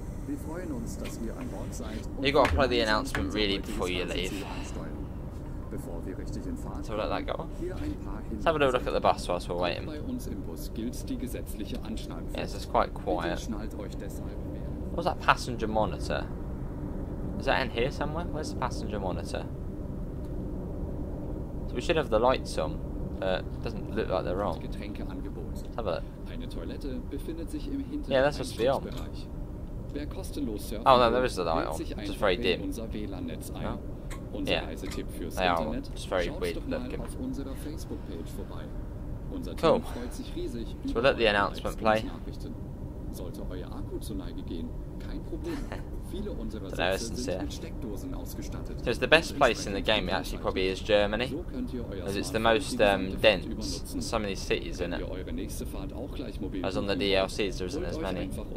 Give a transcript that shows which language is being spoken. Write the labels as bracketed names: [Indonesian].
[English] You've got to play the announcement really before you leave. [German] Bevor wir richtig in Fahrt kommen, hier ein paar Hinweise. Auch bei uns im Bus gilt die gesetzliche Anschnallpflicht. Bitte schnallt euch deshalb mehr. [English] What's that passenger monitor? Is that in here somewhere? Where's the passenger monitor? So we should have the lights on, but it doesn't look like they're on. [German] Getränkeangebot. [English] Let's have a look. [German] Eine Toilette befindet sich im hinteren Einstiegsbereich. Wer kostenlos surfen will, wählt sich einfach in unser WLAN-Netz ein. [English] Oh. Yeah, they are just very weird looking. Cool. So we'll let the announcement play. [German] Sollte euer Akku zu Neige gehen, kein Problem. Viele unserer Sätze sind mit Steckdosen ausgestattet. [English] It's the best place in the game, actually, probably is Germany. Because it's the most dense in some of these cities, isn't it? As on the DLCs, there isn't as many.